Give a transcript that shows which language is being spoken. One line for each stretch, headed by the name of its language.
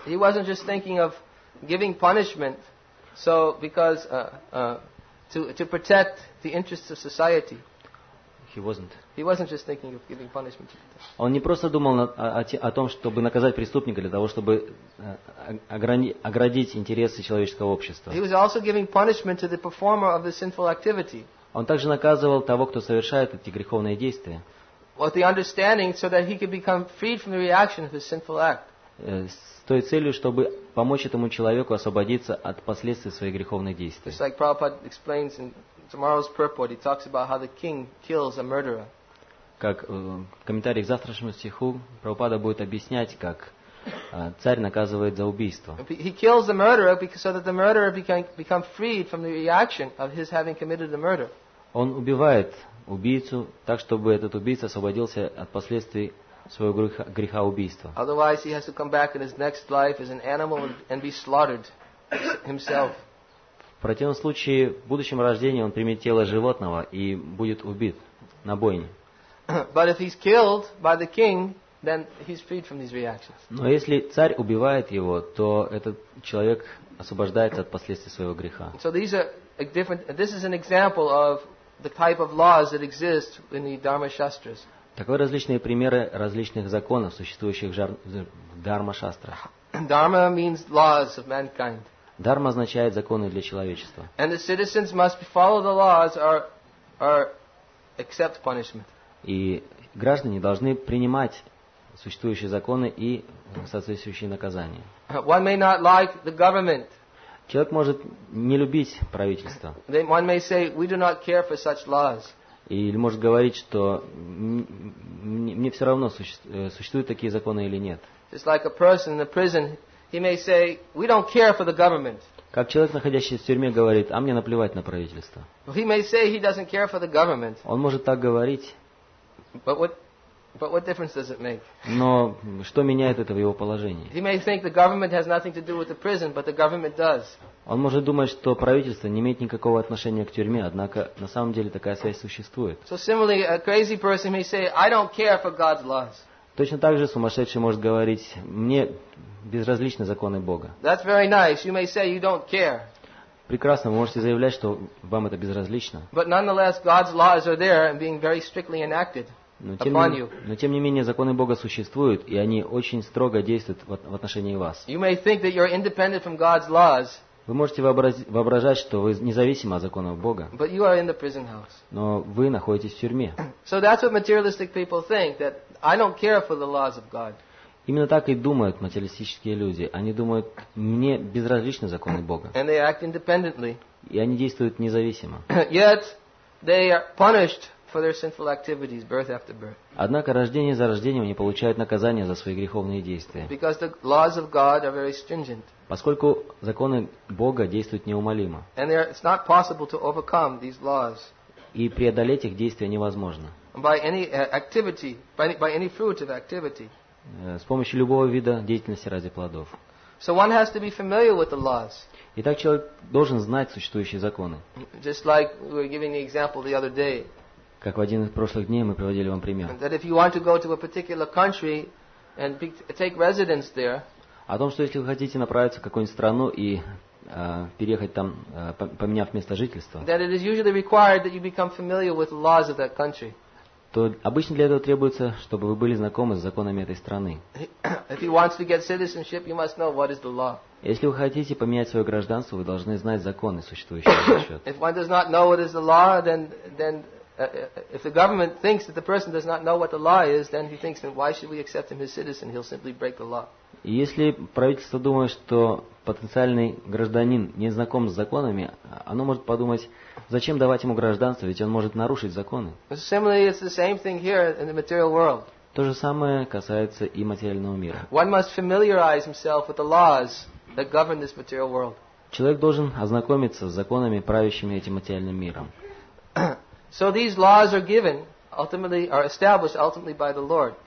English: He wasn't just thinking of giving punishment. So, because to protect the interests of society, he wasn't just thinking of giving punishment.
Russian: Он не просто думал о том, чтобы наказать преступника для того, чтобы оградить интересы человеческого общества.
English: He was also giving punishment to the performer of the sinful activity.
Russian: Он также наказывал того, кто совершает эти греховные действия.
English: With the understanding, so that he could become freed from the reaction of his sinful act.
Russian: С той целью, чтобы помочь этому человеку освободиться от последствий своих греховных действий.
English: Just like Prabhupada explains in tomorrow's purport, he talks about how the king kills a murderer.
Russian: Как в комментарии к завтрашнему стиху Прабхупада будет объяснять, как царь наказывает за убийство.
English: He kills the murderer so that the murderer become freed from the reaction of his having committed the murder.
Russian: Он убивает убийцу так, чтобы этот убийца освободился от последствий своего греха убийства.
English: Otherwise, he has to come back in his next life as an animal and be slaughtered himself.
Russian: В противном случае, в будущем рождении он примет тело животного и будет убит на бойне.
English: But if he's killed by the king, then he's freed from these reactions.
Russian: Но если царь убивает его, то этот человек освобождается от последствий своего греха.
English: So these are different. This is an example of the type of laws that exist in the Dharma Shastras.
Russian: Таковы различные примеры различных законов, существующих в дхарма-шастрах.
English: Dharma means laws of mankind.
Russian: Дхарма означает законы для человечества.
English: And the citizens must follow the laws or accept punishment.
Russian: И граждане должны принимать существующие законы и соответствующие наказания.
English: One may not like the government.
Russian: Человек может не любить правительство.
English: One may say, we do not care for such laws.
Russian: Или может говорить, что мне все равно, существуют такие законы или нет.
English: Just like a person in the prison, he may say, we don't care for the government.
Russian: Как человек, находящийся в тюрьме, говорит, а мне наплевать на правительство.
English: He may say he doesn't care for the government.
Russian: Он может так говорить.
English: But what difference does it make?
Russian: Но что меняет это в его положении?
English: He may think the government has nothing to do with the prison, but the government does.
Russian: Он может думать, что правительство не имеет никакого отношения к тюрьме, однако на самом деле такая связь существует.
English: So similarly, a crazy person may say, I don't care for God's laws.
Russian: Точно так же сумасшедший может говорить, мне безразличны законы Бога.
English: That's very nice. You may say you don't care.
Russian: Прекрасно, вы можете заявлять, что вам это безразлично.
English: But nonetheless, God's laws are there and being very strictly enacted.
Russian: Но тем не менее законы Бога существуют, и они очень строго действуют в отношении вас.
English: You may think that you're independent from God's laws.
Russian: Вы можете воображать, что вы независимы от законов Бога.
English: But you are in the prison house.
Russian: Но вы находитесь в тюрьме.
English: So that's what materialistic people think, that I don't care for the laws of God.
Russian: Именно так и думают материалистические люди. Они думают, мне безразличны законы Бога.
English: And they act independently.
Russian: И они действуют независимо.
English: Yet they are punished for their sinful activities, birth after birth.
Russian: Однако рождение за рождением они получают наказание за свои греховные действия.
English: Because the laws of God are very stringent.
Russian: Поскольку законы Бога действуют неумолимо.
English: And it's not possible to overcome these laws.
Russian: И преодолеть их действия невозможно.
English: By any activity, by any fruit of activity.
Russian: С помощью любого вида деятельности ради плодов.
English: So one has to be familiar with the laws.
Russian: Итак, человек должен знать существующие законы.
English: Just like we were giving the example the other day.
Russian: Как в один из прошлых дней мы приводили вам пример.
English: That if you want to go to a particular country and take residence there.
Russian: О том, что если вы хотите направиться в какую-нибудь страну и переехать там, поменяв место жительства.
English: That it is usually required that you become familiar with the laws of that country.
Russian: То обычно для этого требуется, чтобы вы были знакомы с законами этой страны.
English: If he wants to get citizenship, you must know what is the law.
Russian: Если вы хотите поменять свое гражданство, вы должны знать законы, существующие на счет.
English: If one does not know what is the law, then if the government thinks that the person does not know what the law is, then he thinks, then why should we accept him as citizen? He'll simply break the law.
Russian: Если правительство думает, что потенциальный гражданин не знаком с законами, оно может подумать, зачем давать ему гражданство, ведь он может нарушить законы.
English: Similarly, it's the same thing here in the material world.
Russian: То же самое касается и материального мира.
English: One must familiarize himself with the laws that govern this material world.
Russian: Человек должен ознакомиться с законами, правящими этим материальным миром.
English: So these laws are given, ultimately, are established ultimately by the Lord.